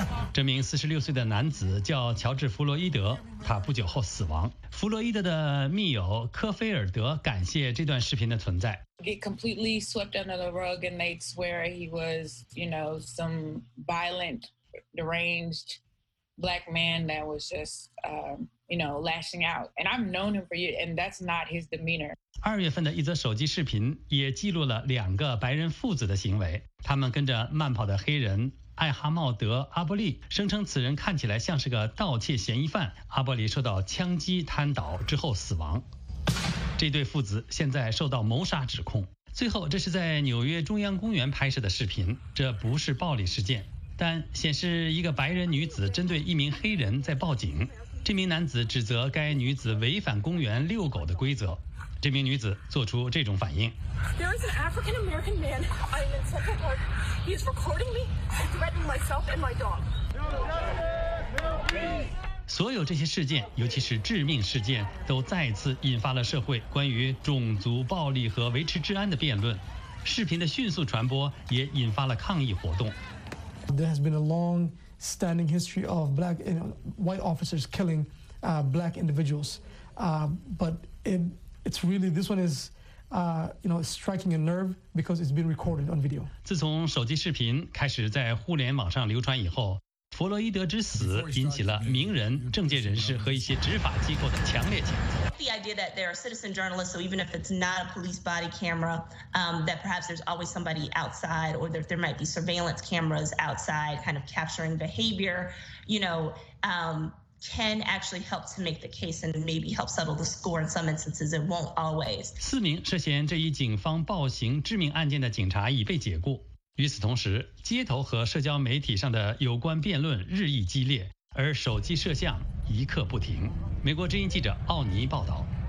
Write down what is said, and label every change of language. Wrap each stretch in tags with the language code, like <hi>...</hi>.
<zh>这名46岁的男子叫乔治·弗洛伊德，他不久后死亡。弗洛伊德的密友科菲尔德感谢这段视频的存在。</zh> <en>It completely swept under the rug, and they'd swear he was, you know, some violent, deranged black man that was just, you know, lashing out. And I've known him for years, and that's not his demeanor.</en> <zh>2月份的一则手机视频也记录了两个白人父子的行为，他们跟着慢跑的黑人艾哈茂德·阿波利，声称此人看起来像是个盗窃嫌疑犯。阿波利受到枪击瘫倒之后死亡。这对父子现在受到谋杀指控。最后，这是在纽约中央公园拍摄的视频，这不是暴力事件，但显示一个白人女子针对一名黑人在报警。这名男子指责该女子违反公园遛狗的规则。这名女子做出这种反应。</zh> <en>There is an African American man. I'm in Central Park. He's recording me and threatening myself and my dog. No justice, no peace.</en> <zh>所有这些事件，尤其是致命事件，都再次引发了社会关于种族暴力和维持治安的辩论。视频的迅速传播也引发了抗议活动。</zh> <en>There has been a long-standing history of black and white officers killing black individuals, but it's really this one is, you know, striking a nerve because it's been recorded on video.</en> <zh>自从手机视频开始在互联网上流传以后，弗洛伊德之死引起了名人、政界人士和一些执法机构的强烈谴责。</zh> <en>The idea that there are citizen journalists, so even if it's not a police body camera, that perhaps there's always somebody outside, or that there might be surveillance cameras outside, kind of capturing behavior, you know, can actually help to make the case and maybe help settle the score in some instances. It won't always.</en> <zh>四名涉嫌这一警方暴行致命案件的警察已被解雇。与此同时，街头和社交媒体上的有关辩论日益激烈，而手机摄像一刻不停。美国之音记者奥尼报道。</zh>